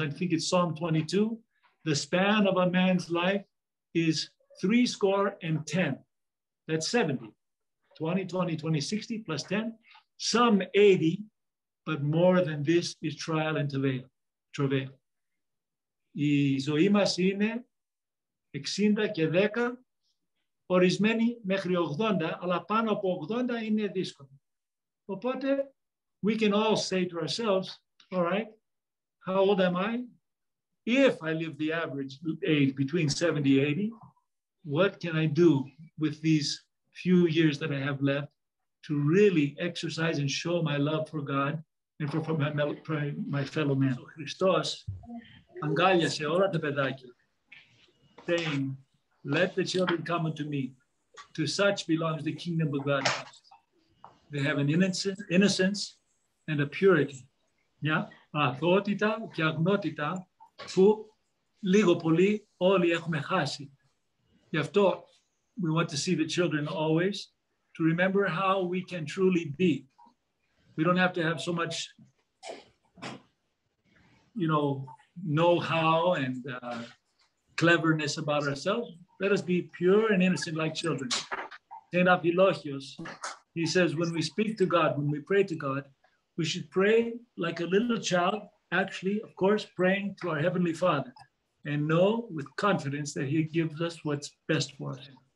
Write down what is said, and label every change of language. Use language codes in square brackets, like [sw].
[en] I think it's Psalm 22. The span of a man's life is 70. That's 70. 20, 20, 20, 60 plus 10. Some 80, but more than this is trial and travail. [el] Η ζωή μας είναι 60 και 10, ορισμένη μέχρι 80, αλλά πάνω από 80 είναι δύσκολο. Οπότε, [en] we can all say to ourselves, all right, how old am I? If I live the average age between 70 and 80, what can I do with these few years that I have left to really exercise and show my love for God and for my fellow man? So Christos [el] αγκάλιασε όλα τα παιδάκια, [en] saying, let the children come unto me. To such belongs the kingdom of God. They have an innocence and a purity. [el] Μια αθωότητα και αγνότητα που λίγο πολύ όλοι έχουμε χάσει. Γι' αυτό [en] we want to see the children always, to remember how we can truly be. We don't have to have so much, you know, know-how and cleverness about ourselves. Let us be pure and innocent like children. Saint Apollonius, he says, when we speak to God, when we pray to God, we should pray like a little child, actually, of course, praying to our Heavenly Father, and know with confidence that He gives us what's best for us.